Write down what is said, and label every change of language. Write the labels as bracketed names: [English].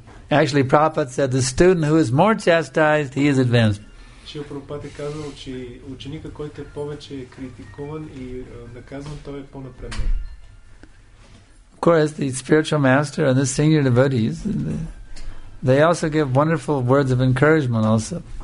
[English] Actually, Prabhupada said the student who is more chastised, he is advanced. [Bulgarian] Шрила Прабхупада е казал, че ученика, който е повече критикуван и наказан, той е по-напреднал. [English] Of course, the spiritual master and the senior devotees, they also give wonderful words of encouragement also.